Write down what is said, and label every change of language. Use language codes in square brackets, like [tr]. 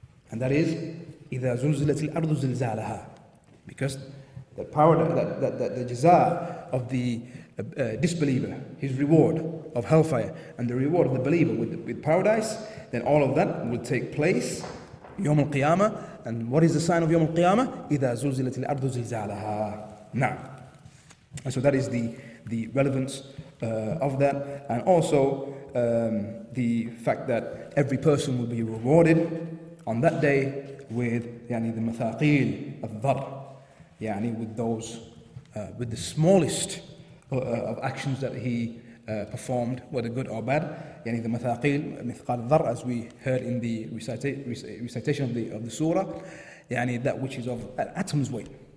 [en] and that is [ar] إذا زلزلت الأرض زلزالها, [en] because the power that the jaza of the disbeliever, his reward of hellfire, and the reward of the believer with paradise, then all of that will take place [ar] يوم القيامة. [en] And what is the sign of [ar] يوم القيامة? إذا زلزلت الأرض زلزالها. [en] Now, and so that is the relevance of that, and also the fact that every person will be rewarded on that day with the mathaqil al-dhar, with the smallest of actions that he performed, whether good or bad, the mathaqil mithqal al-dhar, as we heard in the recitation of the surah, that which is of an atom's weight.